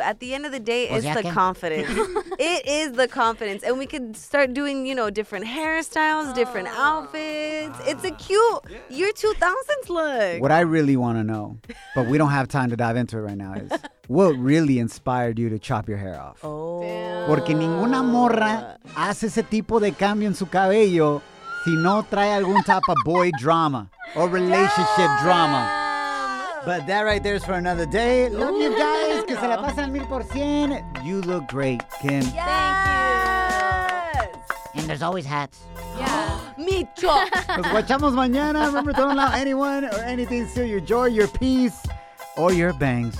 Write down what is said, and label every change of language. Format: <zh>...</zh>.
<en>At the end of the day, it's the confidence. It is the confidence. And we could start doing, you know, different hairstyles, different outfits. It's a cute year 2000s look. What I really want to know, but we don't have time to dive into it right now, is what really inspired you to chop your hair off? Oh.</en> <es>Porque ninguna morra hace ese tipo de cambio en su cabello si no trae algún</es> <en>type of boy drama or relationship drama. But that right there is for another day. Love you guys.</en> <es>Que se la pasan</es> <en>1000%. You look great, Kim. Yes. Thank you. And there's always hats. Yeah. Micho.</en> <es>Nos guachamos mañana.</es> <en>Remember, don't allow anyone or anything to steal your joy, your peace, or your bangs.</en>